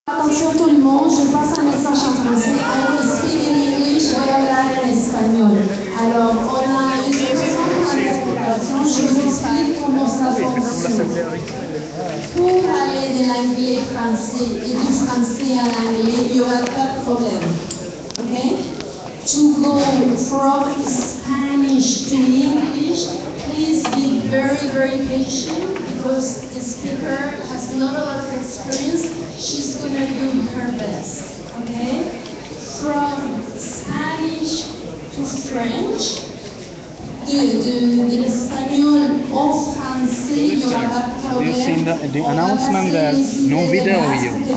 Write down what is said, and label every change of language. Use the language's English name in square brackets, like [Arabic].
[French] Bonjour tout le monde, je passe un message en français. [English] I will speak in English, [French] je vais parler en espagnol. Alors, on a une question pour la population, je vous explique comment ça fonctionne. Pour aller de l'anglais français et du français à l'anglais, il n'y aura pas de problème. Ok? [English] To go from Spanish to English, please be very, very patient because the speaker has not a lot of experience. She's gonna do her best, okay? From Spanish to French, [French] de l'espagnol au français, il n'y aura pas de problème. [English] You've seen the announcement that no video with you.